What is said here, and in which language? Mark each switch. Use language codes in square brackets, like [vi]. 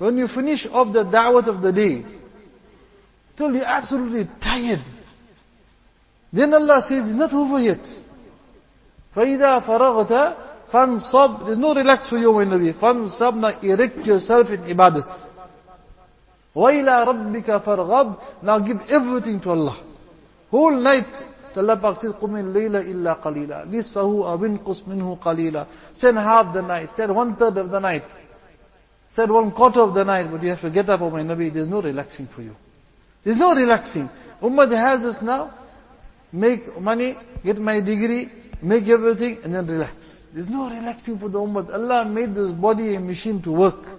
[en] When you finish off the da'wat of the day, till you're absolutely tired, then Allah says, it's not over yet. [ar] فَإِذَا فَرَغْتَ فَانْصَبْ. [en] There's no relax for you, O Nabi. [ar] فَانْصَبْ. [en] Now erect yourself in ibadat. [ar] وَإِلَىٰ رَبِّكَ فَارْغَبْ. [en] Now give everything to Allah. Whole night. So Allah Pak says, [ar] قُمِنْ لَيْلَ إِلَّا قَلِيلًا نِصْفَهُ أَوِنْقُصْ مِنْهُ قَلِيلًا. [en] Send half the night. Send 1/3 of the night. Send 1/4 of the night. But you have to get up, O my Nabi. There's no relaxing for you. There's no relaxing. Ummah has us now. Make money, get my degree, make everything, and then relax. There's no relaxing for the ummah. Allah made this body a machine to work.